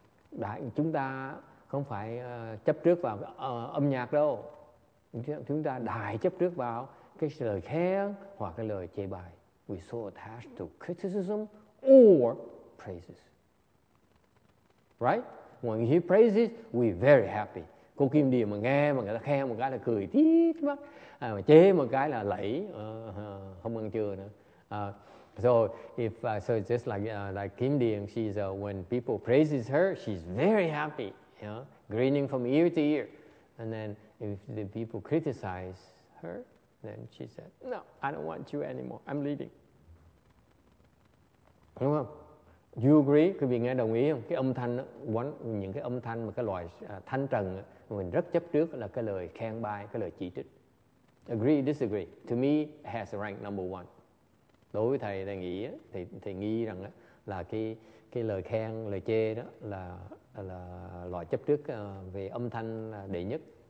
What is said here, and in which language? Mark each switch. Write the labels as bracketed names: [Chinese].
[Vietnamese] Đại, chúng ta không phải chấp trước vào âm nhạc đâu. Chúng ta đại chấp trước vào cái lời khen hoặc cái lời chê bài. [English] We so attached to criticism or praises. Right? When he praises, we very happy. [Vietnamese] Cô Kim Điền mà nghe mà người ta khen một cái là cười tít mắt, mà chê một cái là lẫy, không ăn trưa nữa. [English] So it's just like Kim Điền, she's when people praises her, she's very happy, you know, grinning from ear to ear. And then if the people criticize her, then she said, no, I don't want you anymore, I'm leaving. [Vietnamese] Đúng không? [English] You agree? [Vietnamese] Quý vị nghe đồng ý không? Cái âm thanh đó, những cái âm thanh mà cái loại thanh trần đó, mình rất chấp trước là cái lời khen bai, cái lời chỉ trích. [English] Agree, disagree. To me, it has rank number one. [Vietnamese] Đối với thầy, thầy nghĩ, thầy nghi rằng đó, là cái lời khen, lời chê đó là loại chấp trước về âm thanh là đệ nhất.